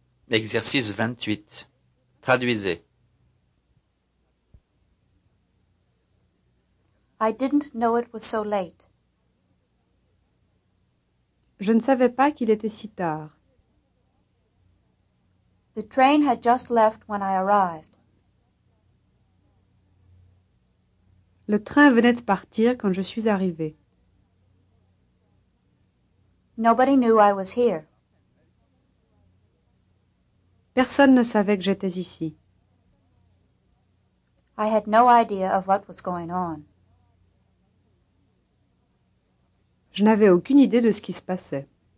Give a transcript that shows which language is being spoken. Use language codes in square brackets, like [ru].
[fr] Exercice 28. Traduisez. [en] I didn't know it was so late. [fr] Je ne savais pas qu'il était si tard. [en] The train had just left when I arrived. [fr] Le train venait de partir quand je suis arrivée. [en] Nobody knew I was here. [fr] Personne ne savait que j'étais ici. [en] I had no idea of what was going on. [fr] Je n'avais aucune idée de ce qui se passait.